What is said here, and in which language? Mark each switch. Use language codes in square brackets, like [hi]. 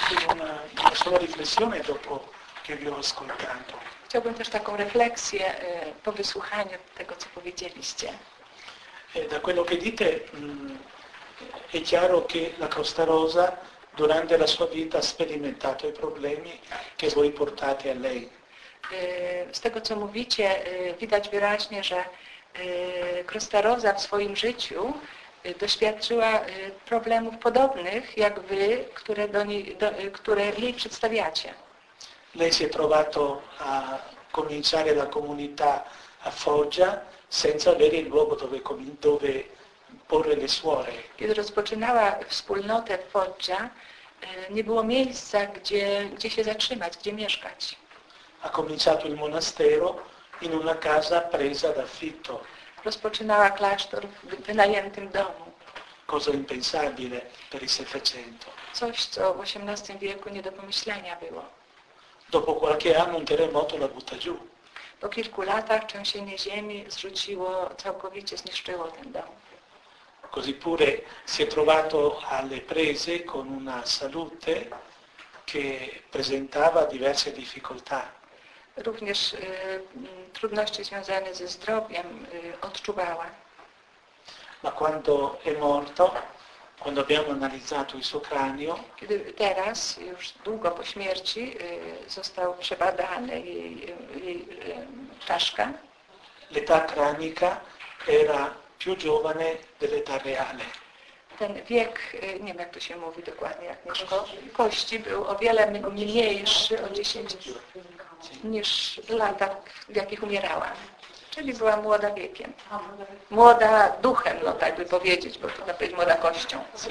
[it] una sola riflessione dopo che vi ho ascoltato. [pl] Chciałbym też taką refleksję po wysłuchaniu tego, co powiedzieliście. [it] Da quello che dite è chiaro che la Costa Rosa durante la sua vita ha sperimentato i problemi che voi portate a lei. [pl] Z tego, co mówicie, widać wyraźnie, że Costa Rosa w swoim życiu doświadczyła problemów podobnych jak wy, które do niej, które jej przedstawiacie. [it] Lei si è trovato a cominciare la comunità a Foggia senza avere il luogo dove, dove porre le suore. [pl] Kiedy rozpoczynała wspólnotę w Foggia, nie było miejsca, gdzie się zatrzymać, gdzie mieszkać. [it] Ha cominciato il monastero in una casa presa d'affitto. [pl] Rozpoczynała klasztor w wynajętym domu. [it] Cosa impensabile per il Settecento. [pl] Coś, co w XVIII wieku nie do pomyślenia było. [it] Dopo qualche anno un terremoto la butta giù. [pl] Po kilku latach trzęsienie ziemi zrzuciło, całkowicie zniszczyło ten dom. [it] Così pure si è trovato alle prese con una salute che presentava diverse difficoltà. [pl] Również trudności związane ze zdrowiem odczuwała. [it] Ma quando è morto, quando abbiamo analizzato il suo cranio, [pl] kiedy teraz, już długo po śmierci, został przebadany jej czaszka, [it] l'età cranica era più giovane dell'età reale. [pl] Ten wiek, nie wiem jak to się mówi dokładnie, jak nie tylko, kości był o wiele mniejszy o 10 niż lata, w jakich umierała. Czyli była młoda wiekiem. Młoda duchem, no tak by powiedzieć, bo to być młoda kością.